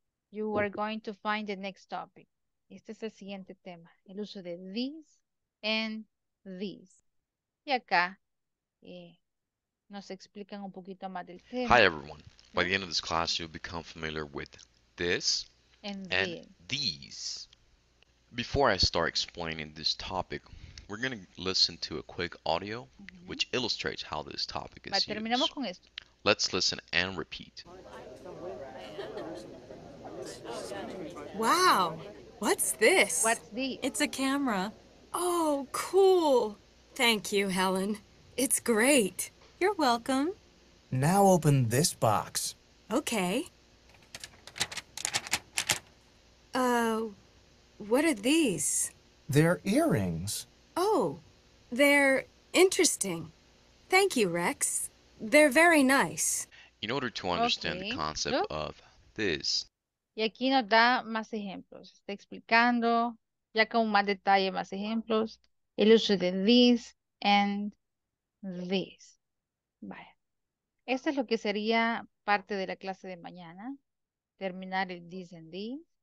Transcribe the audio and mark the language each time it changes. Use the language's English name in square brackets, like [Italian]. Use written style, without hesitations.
[English] You are going to find the next topic. [Spanish] Este es el siguiente tema, el uso de [English] this and this. [Spanish] Y acá nos explican un poquito más del tema. [English] Hi everyone. By the end of this class, you'll become familiar with this and these. Before I start explaining this topic, we're going to listen to a quick audio which illustrates how this topic is used. [Spanish] Terminamos con esto. [English] Let's listen and repeat. Wow. What's this? What's this? It's a camera. Oh, cool. Thank you, Helen. It's great. You're welcome. Now open this box. Okay. What are these? They're earrings. Oh, they're interesting. Thank you, Rex. They're very nice. In order to understand the concept of this, [Spanish] y aquí nos da más ejemplos. Está explicando, ya con más detalle, más ejemplos. El uso de [English] this and this. [Spanish] Vaya. Esto es lo que sería parte de la clase de mañana. Terminar el [English] this and this.